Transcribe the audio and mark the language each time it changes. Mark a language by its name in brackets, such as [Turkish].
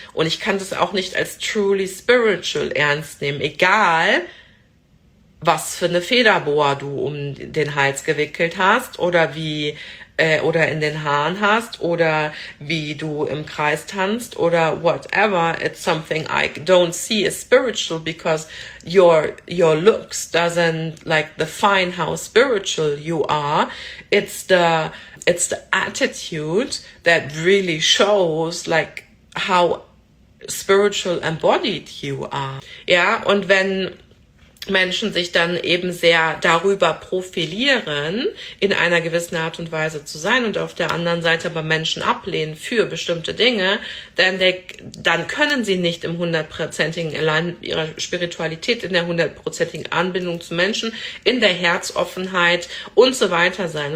[German] Und ich kann das auch nicht als truly spiritual ernst nehmen, egal was für eine Federboa du um den Hals gewickelt hast oder wie oder in den Haaren hast oder wie du im Kreis tanzt oder whatever. [English] It's something I don't see as spiritual because your looks doesn't like define how spiritual you are. It's the attitude that really shows like how spiritual embodied you are. [German] Ja, und wenn Menschen sich dann eben sehr darüber profilieren, in einer gewissen Art und Weise zu sein und auf der anderen Seite aber Menschen ablehnen für bestimmte Dinge, dann können sie nicht im hundertprozentigen Allein ihrer Spiritualität, in der hundertprozentigen Anbindung zu Menschen, in der Herzoffenheit und so weiter sein.